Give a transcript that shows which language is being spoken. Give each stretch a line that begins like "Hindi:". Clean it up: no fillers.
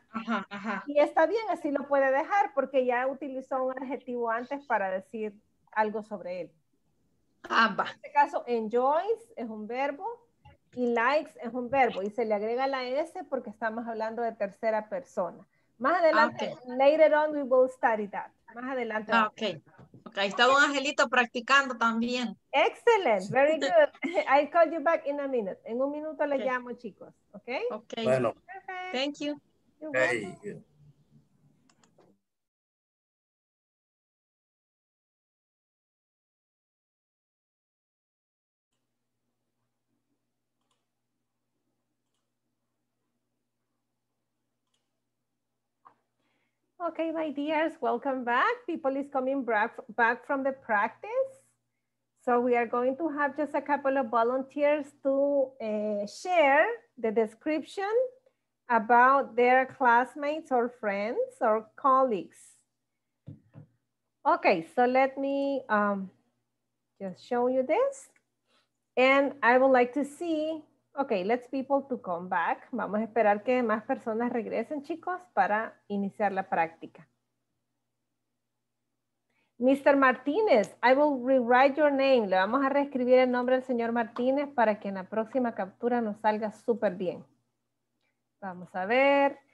Spanish: Ajá. Y está bien, así lo puede dejar, porque ya utilizó un adjetivo antes para decir algo sobre él. En este caso, enjoys es un verbo y likes es un verbo y se le agrega la S porque estamos hablando de tercera persona. Más adelante,
English: later on we will study that.
Spanish: Más adelante. Ahí está Don Angelito practicando también.
English: Excellent, very good. I'll call you back in a minute.
Spanish: En un minuto le llamo, chicos. Okay? Okay. Bueno.
English: Perfect. Thank you. You're welcome. Thank you. Okay, my dears, welcome back. People is coming back from the practice. So we are going to have just a couple of volunteers to share the description about their classmates or friends or colleagues. Okay, so let me just show you this. And I would like to see, okay, let's people to come back.
Spanish: Vamos a esperar que más personas regresen, chicos, para iniciar la práctica.
English: Mr. Martínez, I will rewrite your name.
Spanish: Le vamos a reescribir el nombre del señor Martínez para que en la próxima captura nos salga súper bien. Vamos a ver.